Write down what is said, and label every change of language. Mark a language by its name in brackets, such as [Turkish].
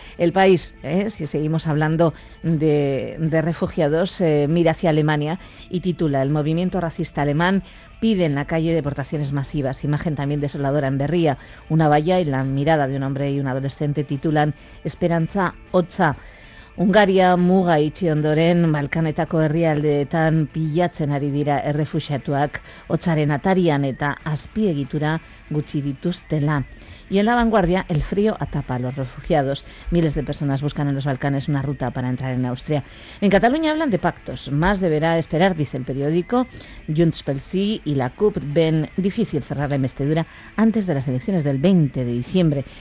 [Spanish] El País, si seguimos hablando de refugiados, mira hacia Alemania y titula: el movimiento racista alemán pide en la calle deportaciones masivas. Imagen también desoladora en Berría. Una valla y la mirada de un hombre y un adolescente titulan: Esperanza Otza. [Basque] Hungaria muga itxi ondoren Balkanetako herrialdeetan pilatzen ari dira errefuxiatuak, hotzaren atarian eta azpiegitura gutxi dituztela. [Spanish] Y en La Vanguardia, el frío atapa a los refugiados. Miles de personas buscan en los Balcanes una ruta para entrar en Austria. En Cataluña hablan de pactos. Más deberá esperar, dice el periódico. Junts pel Sí y la CUP ven difícil cerrar la investidura antes de las elecciones del 20 de diciembre.